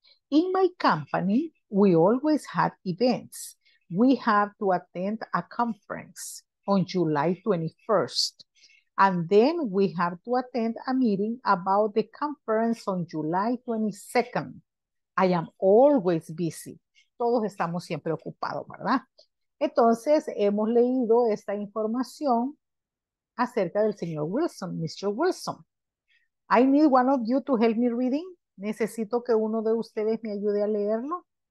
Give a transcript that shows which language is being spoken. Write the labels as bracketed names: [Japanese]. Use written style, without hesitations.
[English] In my company, we always had events. We have to attend a conference on July 21st. And then we have to attend a meeting about the conference on July 22nd. I am always busy. [Spanish] Todos estamos siempre ocupados, ¿verdad? Entonces, hemos leído esta información acerca del señor Wilson, Mr. Wilson. [English] I need one of you to help me reading. [Spanish] Necesito que uno de ustedes me ayude a leerlo.